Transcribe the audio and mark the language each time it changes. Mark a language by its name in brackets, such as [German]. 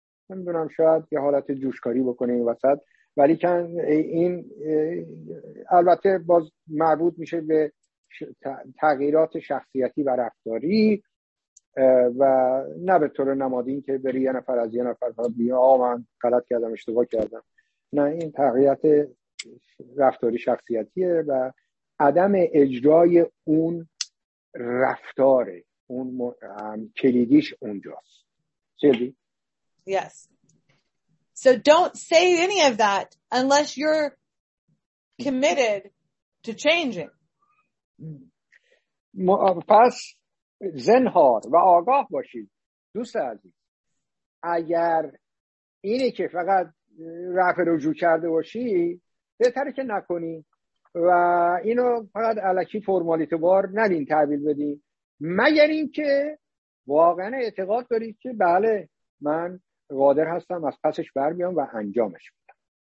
[Persian] نمیدونم شاید یه حالت جوشکاری بکنه این وسط، ولی کن این البته باز مربوط میشه به تغییرات شخصیتی و رفتاری و نه به طور نمادین که بری یه نفر از یه نفر بیا آقا من غلط کردم اشتباه کردم، نه، این تغییرات رفتاری شخصیتیه و عدم اجرای اون رفتاره، اون کلیدیش اونجاست. سیلی؟ [English] Yes. So don't say any of that unless you're committed to changing. [Persian] پس زنهار و آگاه باشید دوست عزیز، اگر اینه که فقط رفع رجوع کرده باشی بهتره که نکنی و اینو فقط علکی فرمالیته بار ندین تحویل بدی، مگر اینکه واقعا اعتقاد داری که بله من قادر هستم از پسش بر بیام و انجامش بدم.